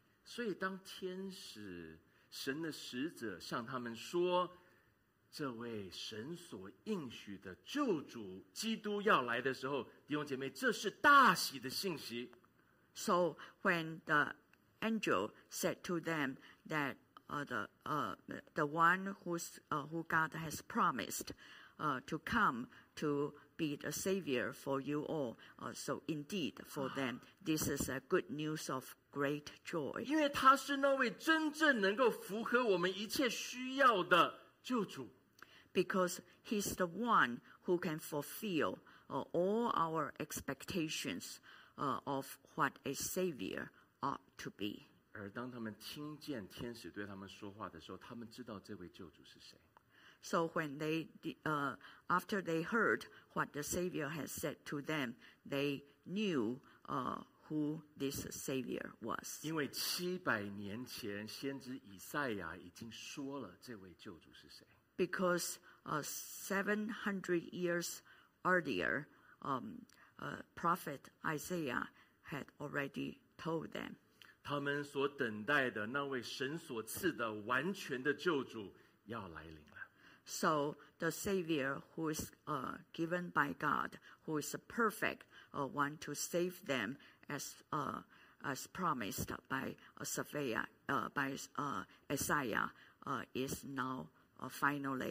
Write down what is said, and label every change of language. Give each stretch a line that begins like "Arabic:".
Chinese: 所以当天使神的使者向他们说，这位神所应许的救主基督要来的时候，弟兄姐妹，这是大喜的信息。
English: So when the angel said to them that the one who God has promised to come to be the savior for you all, so indeed for them this is a good news of great joy.
Chinese: 因为他是那位真正能够符合我们一切需要的救主。
English: Because he's the one who can fulfill all our expectations of what a savior ought to be.
Chinese: 而当他们听见天使对他们说话的时候，他们知道这位救主是谁。
English: So when they after they heard what the savior had said to them, they knew who this savior was.
Chinese: 因为七百年前先知以赛亚已经说了这位救主是谁。
English: Because 700 years earlier, Prophet Isaiah had already told them.
Chinese: 他们所等待的那位神所赐的完全的救主要来临了。
English: So the Savior who is given by God, who is a perfect one to save them as promised by Isaiah, is now finally,